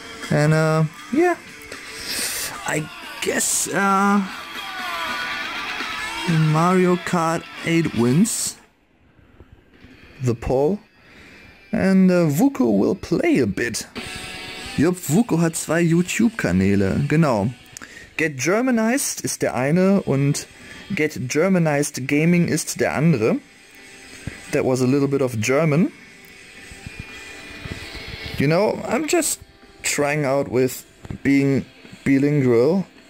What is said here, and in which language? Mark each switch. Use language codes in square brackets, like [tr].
[en] And yeah, I guess Mario Kart 8 wins the poll, and Vuku will play a bit. [de] Jupp, Vuku hat zwei YouTube-Kanäle, genau. Get Germanized ist der eine und Get Germanized Gaming ist der andere. [en] That was a little bit of German. You know, I'm just trying out with being bilingual.